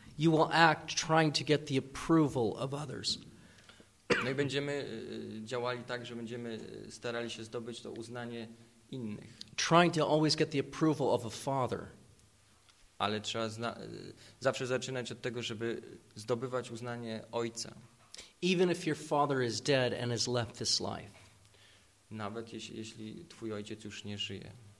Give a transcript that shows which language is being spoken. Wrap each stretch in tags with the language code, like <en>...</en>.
<en>You will act trying to get the approval of others.</en> <pl>No i będziemy działali tak, że będziemy starali się zdobyć to uznanie innych.</pl> <en>Trying to always get the approval of a father.</en> <pl>Ale trzeba zawsze zaczynać od tego, żeby zdobywać uznanie ojca.</pl> <en>Even if your father is dead and has left this life.</en> <pl>Nawet jeśli twój ojciec już nie żyje.</pl>